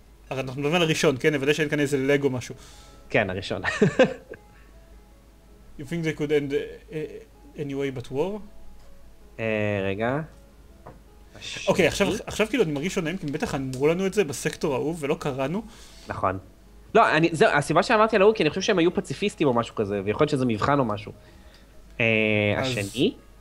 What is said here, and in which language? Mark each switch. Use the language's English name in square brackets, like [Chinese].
[Hebrew] הרי אנחנו מדברים על הראשון, כן? נוודא שאין כאן איזה לגו משהו. כן, הראשון. [English] You think they could end anyway but war? [Hebrew] רגע. אוקיי, עכשיו כאילו אני מרגיש שונאים, כי בטח אמרו לנו את זה בסקטור ההוא ולא קראנו. נכון. לא, זהו, הסיבה שאמרתי על ההוא, כי אני חושב שהם היו פציפיסטים או משהו כזה, ויכול להיות שזה מבחן או משהו. השני?